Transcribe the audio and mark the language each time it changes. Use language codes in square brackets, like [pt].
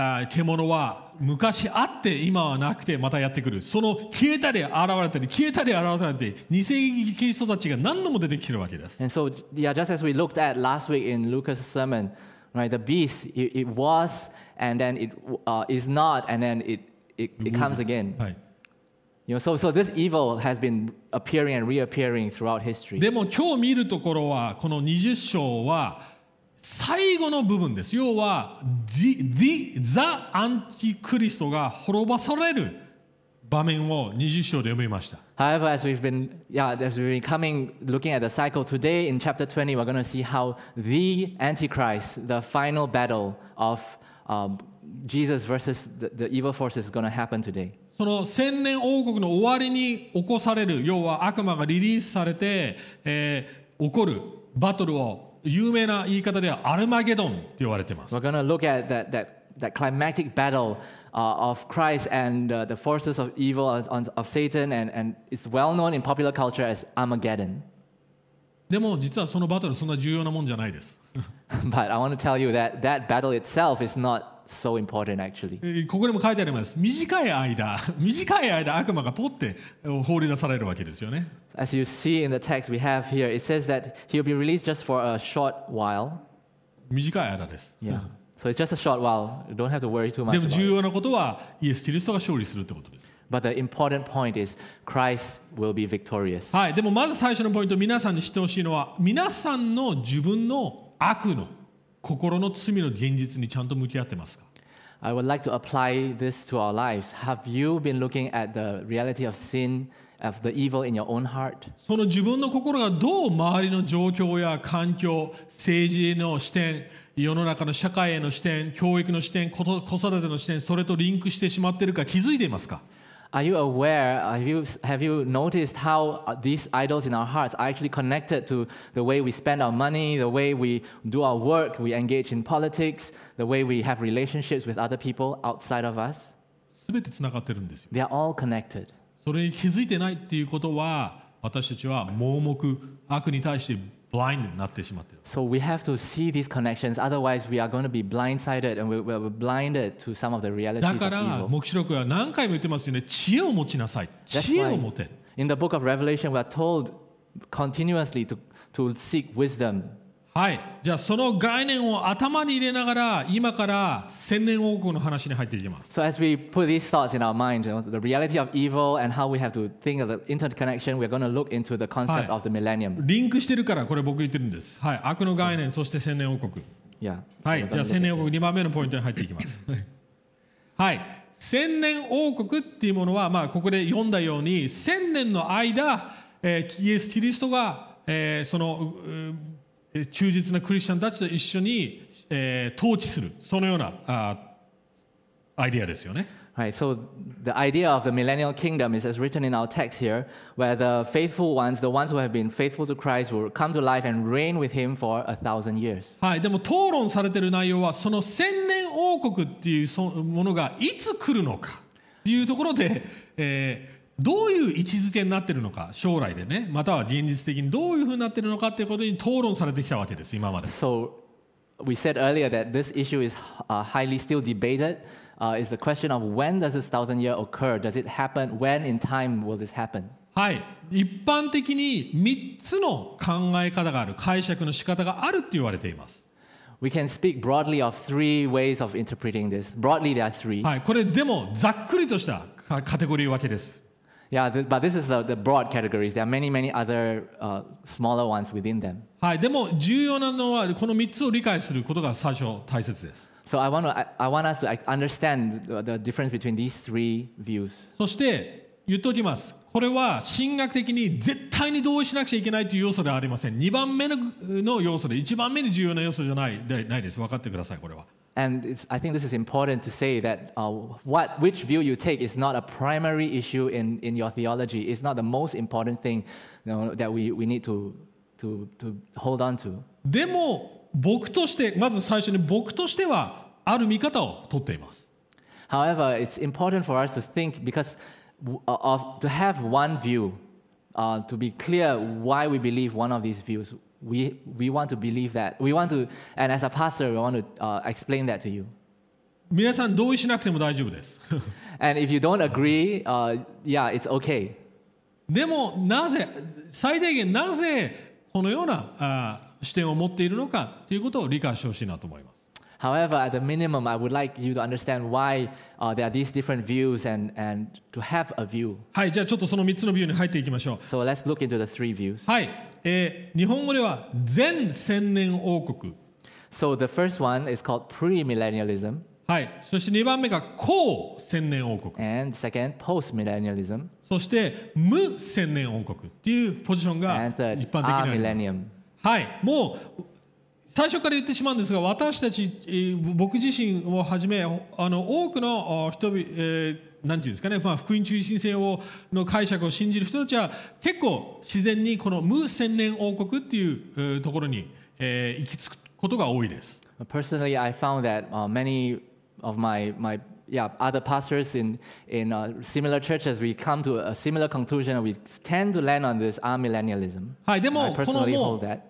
[ja] 獣は昔あって今はなくてまたやってくる。その消えたり現れたり消えたり現れたりで偽キリストたちが何度も出てきてるわけです。 [en] And so, yeah, just as we looked at last week in Lucas' sermon, right, the beast, it was, and then it is not, and then it comes again. [ja] はい。 [en] You know, so this evil has been appearing and reappearing throughout history. [ja] でも今日見るところはこの20章は最後の部分です。要は the Antichrist が滅ばされる場面を20章で読みました。 [en] However, as we've been coming, looking at the cycle today in chapter 20, we're going to see how the Antichrist, the final battle of Jesus versus the evil forces, is going to happen today. [ja] その千年王国の終わりに起こされる、要は悪魔がリリースされて、起こるバトルを。有名な言い方ではアルマゲドンと言われています。 [en] We're going to look at that climactic battle of Christ and the forces of evil of Satan and it's well known in popular culture as Armageddon. [ja] でも実はそのバトルそんな重要なもんじゃないです。 [en] But I want to tell you that battle itself is not so important actually. [ja] ここにも書いてあります。短い間、悪魔がポッて放り出されるわけですよね。 [en] As you see in the text we have here, it says that he'll be released just for a short while. [ja] 短い間です。 [en] Yeah. So it's just a short while. You don't have to worry too much. [ja] でも重要なことはイエス・キリストが勝利するってことです。 [en] But the important point is Christ will be victorious. [ja] はい。でもまず最初のポイント、皆さんに知ってほしいのは、皆さんの自分の悪の心の罪の現実にちゃんと向き合ってますか? [en] I would like to apply this to our lives. Have you been looking at the reality of sin, of the evil in your own heart? [ja] その自分の心がどう周りの状況や環境、政治の視点、世の中の社会への視点、教育の視点、子育ての視点、それとリンクしてしまってるか気づいていますか? [en] Are you aware? Have you noticed how these idols in our hearts are actually connected to the way we spend our money, the way we do our work, we engage in politics, the way we have relationships with other people outside of us? [ja] 全てつながってるんですよ。 [en] They are all connected. [ja] それに気づいてないっていうことは、私たちは盲目、悪に対して blind になってしまってる。 [en] So we have to see these connections, otherwise we are going to be blindsided and we're blinded to some of the realities of evil. [ja] だから黙示録は何回も言ってますよね。知恵を持ちなさい。知恵を持て。 [en] In the book of Revelation, we are told continuously to seek wisdom. [ja] はい。じゃあその概念を頭に入れながら、今から千年王国の話に入っていきます。 [en] So as we put these thoughts in our mind, you know, the reality of evil and how we have to think of the interconnection, we're going to look into the concept of the millennium. [ja] リンクしてるからこれ僕言ってるんです。はい。悪の概念、そして千年王国。 [en] Yeah. [ja] はい。じゃあ千年王国2番目のポイントに入っていきます。はい。千年王国っていうものは、まあここで読んだように、千年の間、イエス・キリストが、その、忠実なクリスチャンたちと一緒に、統治するそのような、アイデアですよね。 [en] Right, so the idea of the millennial kingdom is as written in our text here, where the faithful ones, the ones who have been faithful to Christ, will come to life and reign with him for 1,000 years. [ja] はい、でも討論されている内容はその千年王国っていうものがいつ来るのかっていうところで、どういう位置づけになっているのか、将来でね、または現実的にどういうふうになっているのかということに討論されてきたわけです、今まで。 [en] So, we said earlier that this issue is highly still debated. It's the question of when does this thousand year occur? Does it happen? When in time will this happen? [ja] はい。一般的に3つの考え方がある、解釈の仕方があると言われています。 [en] We can speak broadly of three ways of interpreting this. Broadly, there are three. [ja] はい。これでも、ざっくりとしたカテゴリー分けです。 [en] Yeah, but this is the broad categories. There are many, many other smaller ones within them. [ja] はい、でも重要なのはこの3つを理解することが最初大切です。 [en] So I want us to understand the difference between these three views. [ja] そして言っておきます。これは神学的に絶対に同意しなくちゃいけないという要素ではありません。 2番目の要素で、1番目に重要な要素じゃない、ないです。分かってください、これは。 [en] And I think this is important to say that which view you take is not a primary issue in your theology. It's not the most important thing, you know, that we need to hold on to. [ja] でも僕としてまず最初に僕としてはある見方を取っています。 [en] However, it's important for us to think because of to have one view, to be clear why we believe one of these views. We want to believe that. We want to, and as a pastor, we want to explain that to you. [ja] 皆さん同意しなくても大丈夫です。 [en] And if you don't agree, yeah, it's okay. [ja] でもなぜ最低限なぜこのような視点を持っているのかということを理解してほしいなと思います。 [en] However, at the minimum, I would like you to understand why there are these different views and to have a view. [ja] はい、じゃあちょっとその3つのビューに入っていきましょう。 [en] So let's look into the three views. [ja] はい。日本語では前千年王国。 [en] So the first one is called pre-millennialism. [ja] はい。そして2番目が後千年王国。 [en] And second, post-millennialism. [ja] そして無千年王国っていうポジションが一般的にあります。 [en] Millennium. [ja] はい。もう最初から言ってしまうんですが、私たち僕自身をはじめ多くの人々、何て言うんですかね、まあ、福音中心性をの解釈を信じる人たちは結構自然にこの無千年王国っていうところに行き着くことが多いです。 [en] Personally, I found that many of my other pastors in a similar churches, we come to a similar conclusion. We tend to land on this amillennialism. [ja] はい、でも、 [en] personally hold that.